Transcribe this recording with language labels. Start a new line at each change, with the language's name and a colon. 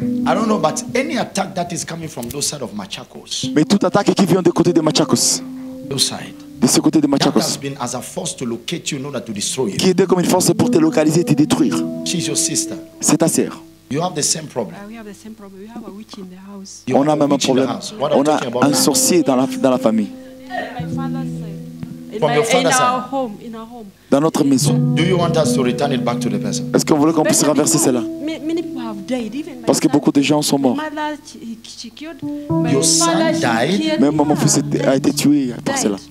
English: I don't know, but any attack that is coming from those side of Machakos.
French: Mais toute attaque qui vient de côté de Machakos.
English: Those side.
French: De ce côté de Machakos.
English: That has been as a force to locate you, in order to destroy you.
French: Qui est comme une force pour te localiser et te détruire.
English: She's your sister.
French: C'est ta sœur.
English: You have the same problem. We have the same problem. We have a witch in the house.
French: You on a même un problème. On a un
English: now?
French: Sorcier dans la famille.
English: In, my, in our home.
French: Dans notre maison.
English: Do you want us to return it back to the person?
French: Est-ce qu'on voulait qu'on puisse renverser cela?
English: Many people have died. Even
French: parce que beaucoup de gens sont morts.
English: My mother, she killed. Your son died.
French: Même mon fils a été tué par cela.